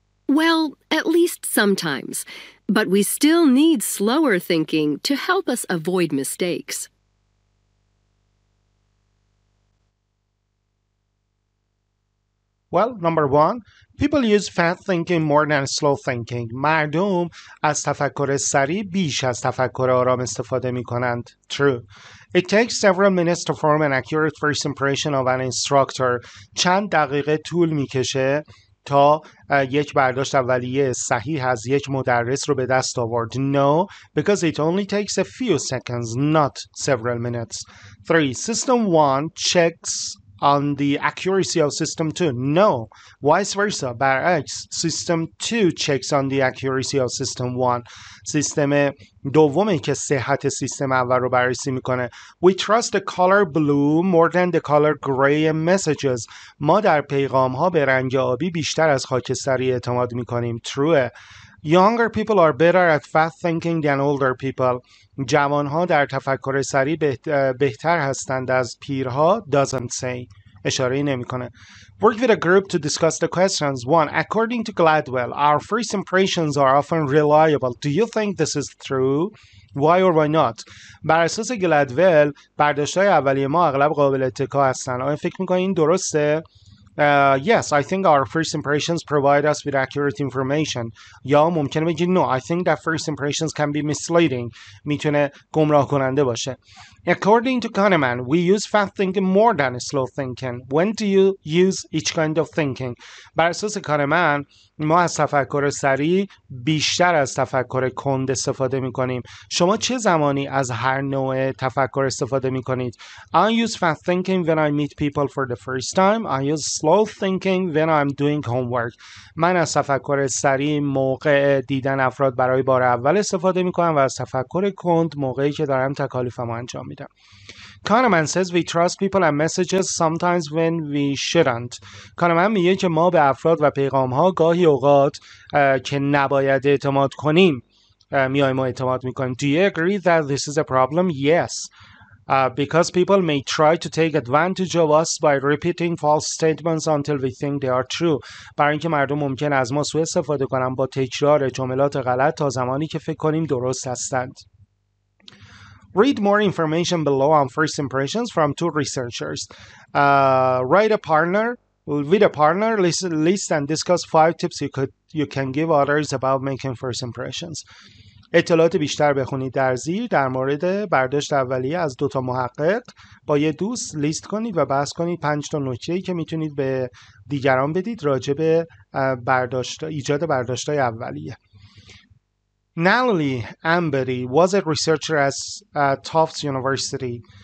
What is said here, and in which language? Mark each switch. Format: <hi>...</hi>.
<en>Well, at least sometimes. But we still need slower thinking to help us avoid mistakes. Well, number one, people use fast thinking more than slow thinking.</en> <fa>مردم از تفکر سریع بیش از تفکر آرام استفاده می کنند.</fa> <en>True. It takes several minutes to form an accurate first impression of an instructor.</en> <fa>چند دقیقه طول می کشه تا یک برداشت اولیه صحیح از یک مدرس رو به دست آورد.</fa> <en>No, because it only takes a few seconds, not several minutes. 3. System 1 checks on the accuracy of system 2. No, vice versa.</en> <fa>برعکس,</fa> <en>system 2 checks on the accuracy of system 1.</en> <fa>سیستم دومه که صحت سیستم اول رو بررسی میکنه.</fa> <en>We trust the color blue more than the color gray messages.</en> <fa>ما در پیغام ها به رنگ آبی بیشتر از خاکستری اعتماد میکنیم.</fa> <en>True. Younger people are better at fast thinking than older people.</en> <fa>جوان ها در تفکر سریع بهتر هستند از پیرها.</fa> <en>Doesn't say.</en> <fa>اشاره نمی کنه.</fa> <en>Work with a group to discuss the questions. 1. According to Gladwell, our first impressions are often reliable. Do you think this is true? Why or why not?</en> <fa>بر اساس گلدول، برداشت‌های اولیه ما اغلب قابل اتکا هستند. آیا فکر می‌کنی این درسته؟</fa> <en>Yes, I think our first impressions provide us with accurate information.</en> <fa>یا ممکنه بگی</fa> <en>no, I think that first impressions can be misleading.</en> <fa>میتونه گمراه کننده باشه.</fa> <en>According to Kahneman, we use fast thinking more than slow thinking. When do you use each kind of thinking?</en> <fa>بر اساس کانمن، ما از تفکر سریع بیشتر از تفکر کند استفاده میکنیم. شما چه زمانی از هر نوع تفکر استفاده میکنید؟</fa> <en>I use fast thinking when I meet people for the first time. I use slow thinking when I'm doing homework.</en> <fa>من از تفکر سریع موقع دیدن افراد برای بار اول استفاده میکنم و از تفکر کند موقعی که دارم تکالیفمو انجام میدم.</fa> <en>Kahneman says we trust people and messages sometimes when we shouldn't.</en> <fa>Kahneman میگه که ما به افراد و پیغام ها گاهی اوقات که نباید اعتماد کنیم میایم و اعتماد میکنیم.</fa> <en>Do you agree that this is a problem? Yes. Because people may try to take advantage of us by repeating false statements until we think they are true.</en> <fa>برای اینکه مردم ممکن از ما سوء استفاده کنن با تکرار جملات غلط تا زمانی که فکر کنیم درست هستند.</fa> <en>Read more information below on first impressions from two researchers. With a partner, list and discuss five tips you can give others about making first impressions.</en> <fa>اطلاعات بیشتر بخونید در زیر در مورد برداشت اولیه از دو تا محقق با یه دوست لیست کنید و بحث کنید 5 تا نکته‌ای که میتونید به دیگران بدید راجع به ایجاد برداشت‌های اولیه.</fa> <en>Nalini Ambari was a researcher at Tufts University.</en>